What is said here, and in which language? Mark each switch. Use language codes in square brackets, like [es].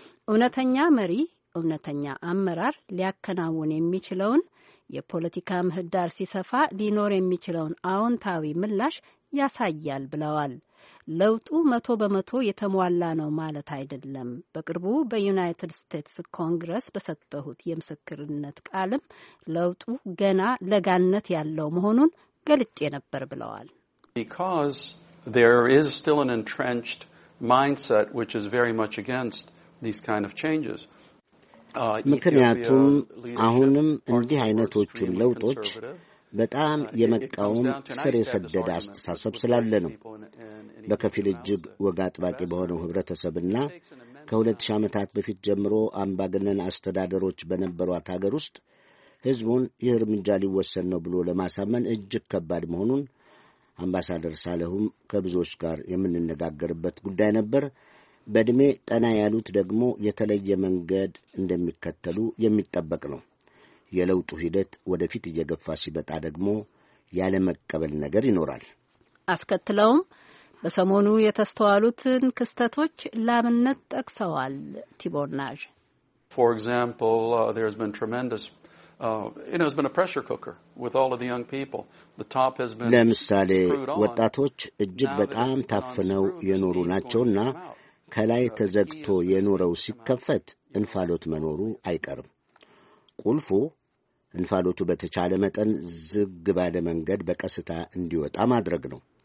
[am] እውነተኛ መሪ፣ እውነተኛ አመራር ሊያከናውን የሚችለውን የፖለቲካ ምህዳር ሲሰፋ ሊኖር የሚችለውን አዎንታዊ ምላሽ ያሳያል ብለዋል። ለውጡ 100% የተሟላ ነው ማለት አይደለም። በቅርቡ በዩናይትድ ስቴትስ ኮንግረስ በሰጠሁት የምስክርነት ቃልም ለውጡ ገና ለጋነት ያለው መሆኑን ገልጬ ነበር ብለዋል። [en] Because there is still an entrenched mindset which is very much against these kind of changes. [am] ምክንያቱም አሁንም እንዲህ አይነቶቹን ለውጦች በጣም የመቃወም ስር የሰደደ አስተሳሰብ ስላለ ነው። በከፊል እጅግ ወግ አጥባቂ በሆነው ህብረተሰብና ከ2000 ዓመታት በፊት ጀምሮ አምባገነን አስተዳደሮች በነበሯት አገር ውስጥ ህዝቡን ይህ እርምጃ ሊወሰን ነው ብሎ ለማሳመን እጅግ ከባድ መሆኑን አምባሳደር ሳለሁም ከብዙዎች ጋር የምንነጋገርበት ጉዳይ ነበር። በድሜ ጠና ያሉት ደግሞ የተለየ መንገድ እንደሚከተሉ የሚጠበቅ ነው። የለውጡ ሂደት ወደፊት እየገፋ ሲበጣ ደግሞ ያለመቀበል ነገር ይኖራል። አስከትለውም በሰሞኑ የተስተዋሉትን ክስተቶች ላብነት ጠቅሰዋል። ቲቦርናዥ [en] For example, there's been tremendous it's been a pressure cooker with all of the young people. The top has been [am] ለምሳሌ ወጣቶች እጅግ በጣም ታፍነው የኖሩ ናቸውና ከላይ ተዘግቶ የኖረው ሲከፈት እንፋሎት መኖሩ አይቀርም። ቁልፉ እንፋሎቱ በተቻለ መጠን ዝግ ባለ መንገድ በቀስታ እንዲወጣ ማድረግ ነው።